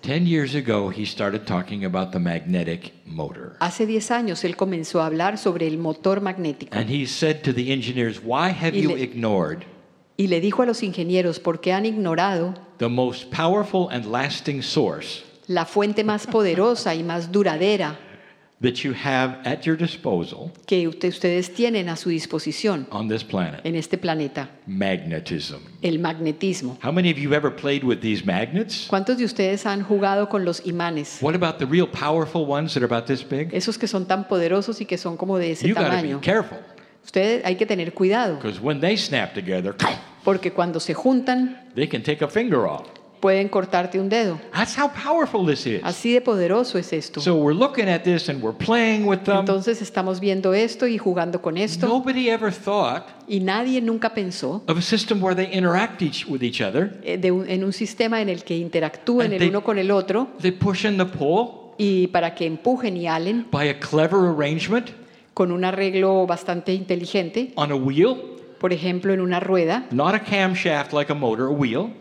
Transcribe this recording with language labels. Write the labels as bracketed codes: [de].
[en] 10 years ago, he started talking about the magnetic motor. [es] Hace 10 años él comenzó a hablar sobre el motor magnético. [en] And he said to the engineers, "Why have you ignored?" [es] Y le dijo a los ingenieros, ¿por qué han ignorado? [en] The most powerful and lasting source. [es] La fuente más poderosa y más duradera. [en] That you have at your disposal. [es] Que ustedes tienen a su disposición. [en] On this planet. [es] En este planeta. [en] Magnetism. [es] El magnetismo. [en] How many of you have ever played with these magnets? [es] ¿Cuántos de ustedes han jugado con los imanes? [en] What about the real powerful ones that are about this big? [es] Esos que son tan poderosos y que son como de ese you tamaño. [en] You gotta be careful. [es] Ustedes hay que tener cuidado. [en] Because when they snap together, [es] porque cuando se juntan, [en] they can take a finger off. [es] Pueden cortarte un dedo. [en] That's how powerful this is. [es] Así de poderoso es esto. [en] So we're looking at this and we're playing with them. [es] Entonces estamos viendo esto y jugando con esto. [en] Nobody ever thought. [es] Y nadie nunca pensó. [en] Of a system where they interact each with each other. [es] En un sistema en el que interactúan el uno con el otro. [en] They push and the pull. [es] Y para que empujen y halen. [en] By a clever arrangement. [es] Con un arreglo bastante inteligente. [en] On a wheel. [es] por ejemplo, en una rueda. [en] Not a camshaft like a motor, a wheel.